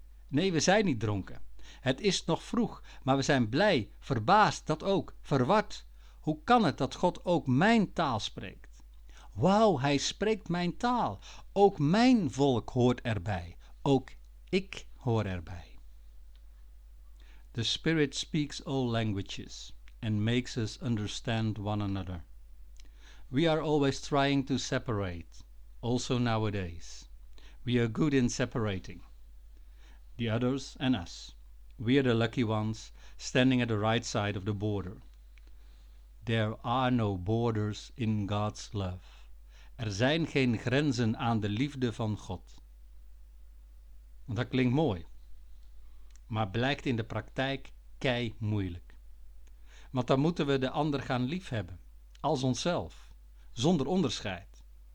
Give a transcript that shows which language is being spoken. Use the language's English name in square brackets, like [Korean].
[Dutch] Nee, we zijn niet dronken. Het is nog vroeg, maar we zijn blij, verbaasd, dat ook, verward. Hoe kan het dat God ook mijn taal spreekt? Wauw, hij spreekt mijn taal. Ook mijn volk hoort erbij. Ook ik hoor erbij. [English] The Spirit speaks all languages and makes us understand one another. We are always trying to separate, also nowadays. We are good in separating the others and us. We are the lucky ones standing at the right side of the border. There are no borders in God's love. [Dutch] Er zijn geen grenzen aan de liefde van God. Dat klinkt mooi. Maar blijkt in de praktijk kei moeilijk. Want dan moeten we de ander gaan liefhebben, als onszelf, zonder onderscheid.